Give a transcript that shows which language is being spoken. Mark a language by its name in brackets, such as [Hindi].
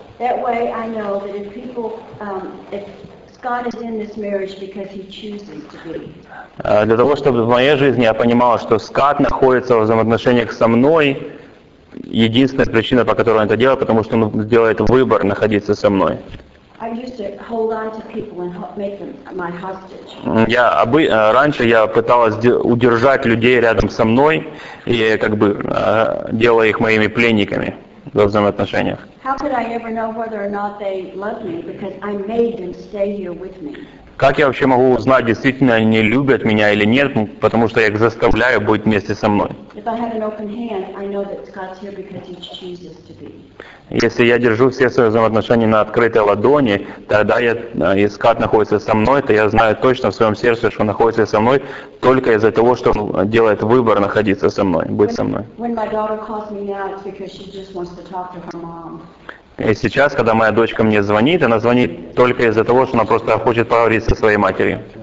[English] That way I know that if God is in this marriage because he chooses to be. [Russian] Для того, чтобы в моей жизни я понимала, что Скат находится в взаимоотношениях со мной, единственная причина, по которой он это делает, потому что он делает выбор находиться со мной. [English] I used to hold on to people and make them my hostage. [Russian] Раньше я пыталась удержать людей рядом со мной и как бы делая их моими пленниками. во взаимоотношениях. [English] How could I ever know whether or not they love me because I made them stay here with me? [Russian] Как я вообще могу узнать, действительно они любят меня или нет, потому что я их заставляю быть вместе со мной? [English] If I have an open hand, I know that God's here because He chooses to be. [Russian] Если я держу все свои взаимоотношения на открытой ладони, тогда я, если Кат находится со мной, то я знаю точно в своем сердце, что он находится со мной только из-за того, что он делает выбор находиться со мной, быть со мной. [English] When my daughter calls me now, it's because she just wants to talk to her mom. [Russian] И сейчас, когда моя дочка мне звонит, она звонит только из-за того, что она просто хочет поговорить со своей матерью.